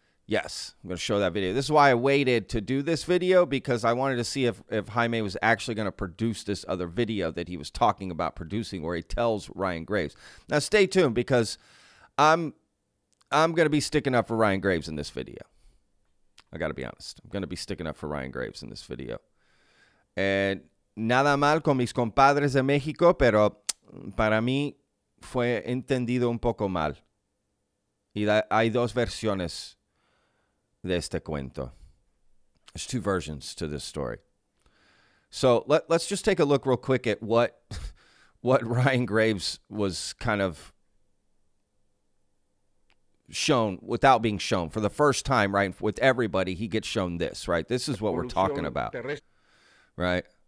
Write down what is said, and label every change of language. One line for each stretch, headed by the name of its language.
English: Yes, I'm going to show that video. This is why I waited to do this video, because I wanted to see if Jaime was actually going to produce this other video that he was talking about producing, where he tells Ryan Graves. Now, stay tuned, because I'm going to be sticking up for Ryan Graves in this video. I got to be honest. I'm going to be sticking up for Ryan Graves in this video.
Spanish: And nada mal con mis compadres de México, pero para mí fue entendido un poco mal. Y hay dos versiones de este cuento.
English: There's two versions to this story. So let's just take a look real quick at what Ryan Graves was kind of shown without being shown. For the first time, right, with everybody, he gets shown this, right? This is what we're talking about, right?